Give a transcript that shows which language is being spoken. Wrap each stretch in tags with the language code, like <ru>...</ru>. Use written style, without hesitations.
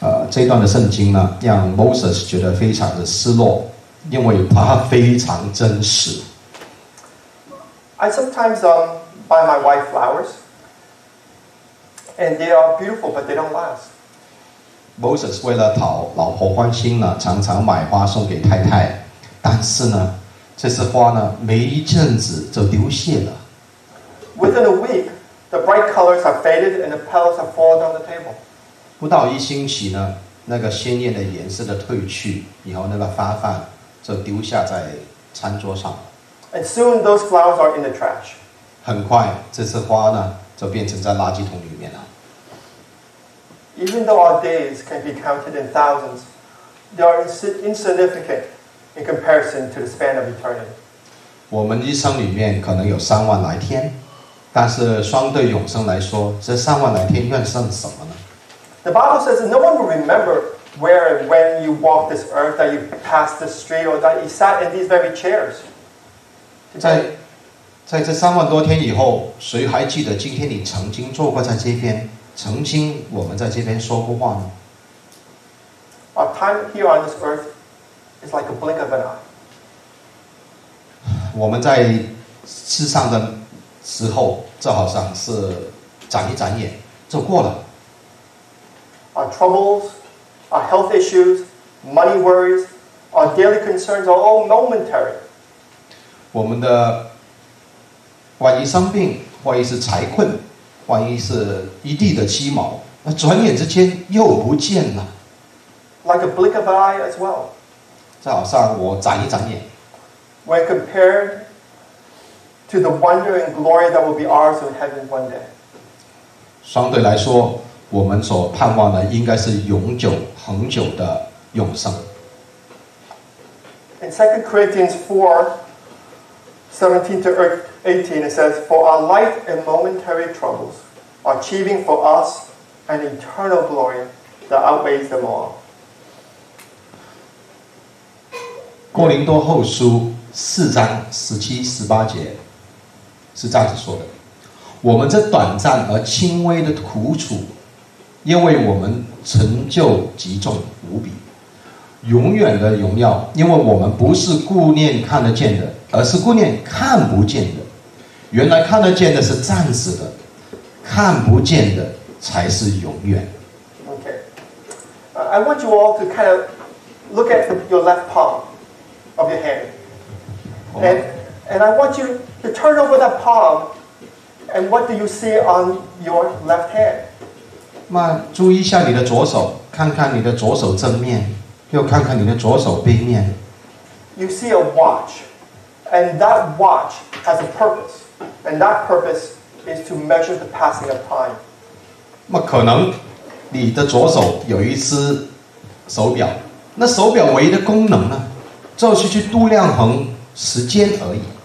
<zh>这段的圣经呢，让 Moses 觉得非常的失落，因为它非常真实。</zh> <en>I sometimes buy my wife flowers, and they are beautiful, but they don't last.</en> <zh>Moses 为了讨老婆欢心呢，常常买花送给太太，但是呢，这些花呢，没一阵子就丢谢了。</zh> <en>Within a week, the bright colors have faded and the petals have fallen on the table.</en> <zh>不到一星期呢，那个鲜艳的颜色的褪去，然后那个花瓣就丢下在餐桌上。</zh> <en>And soon those flowers are in the trash.</en> <zh>很快，这些花呢就变成在垃圾桶里面了。</zh> <en>Even though our days can be counted in thousands, they are insignificant in comparison to the span of eternity.</en> <zh>我们一生里面可能有三万来天，但是相对永生来说，这三万来天算上什么呢？</zh> <en>The Bible says that no one will remember where and when you walked this earth, that you passed this street, or that you sat in these very chairs.</en> <zh>在这三万多天以后，谁还记得今天你曾经坐过在这边，曾经我们在这边说过话呢？</zh> <en>Our time here on this earth is like a blink of an eye.</en> <zh>我们在世上的时候，这好像是眨一眨眼就过了。</zh> <en>Our troubles, our health issues, money worries, our daily concerns are all momentary.</en> <zh>我们的万一生病，万一是财困，万一是一地的鸡毛，那转眼之间又不见了。</zh> <en>Like a blink of an eye as well.</en> <zh>这好像我眨一眨眼。</zh> <en>When compared to the wonder and glory that will be ours in heaven one day.</en> <zh>相对来说，我们所盼望的应该是永久、恒久的永生。</zh> <en>In 2 Corinthians 4:17-18, it says, "For our light and momentary troubles are achieving for us an eternal glory that outweighs them all."</en> <zh>哥林多后书四章十七、十八节是这样子说的：我们这短暂而轻微的苦楚，因为我们成就极重无比。永远的荣耀，因为我们不是顾念看得见的，而是顾念看不见的。原来看得见的是暂时的，看不见的才是永远。</zh> <en>Okay, I want you all to kind of look at your left palm of your hand, and I want you to turn over that palm, and what do you see on your left hand?</en> <zh>那注意一下你的左手，看看你的左手正面。又看看你的左手背面。</zh> <en>You see a watch, and that watch has a purpose, and that purpose is to measure the passing of time.</en> <zh>那可能你的左手有一只手表，那手表唯一的功能呢，就是去度量衡时间而已。</zh>